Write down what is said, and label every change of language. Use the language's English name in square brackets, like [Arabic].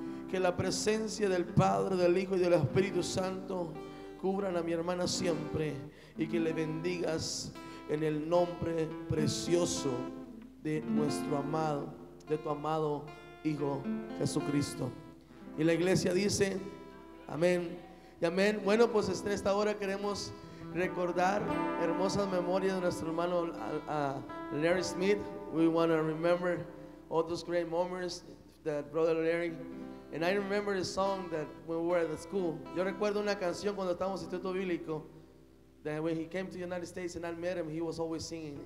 [Spanish] Que la presencia del Padre, del Hijo y del Espíritu Santo cubran a mi hermana siempre, y que le bendigas en el nombre precioso de nuestro amado, de tu amado Hijo Jesucristo. Y la iglesia dice amén y amén. Bueno, pues en esta hora queremos recordar hermosas memorias de nuestro hermano Larry Smith. [English] We want to remember all those great moments that Brother Larry. And I remember the song that when we were at the school. [Spanish] Yo recuerdo una canción cuando estábamos en el Instituto Bíblico. [English] That when he came to the United States and I met him, he was always singing.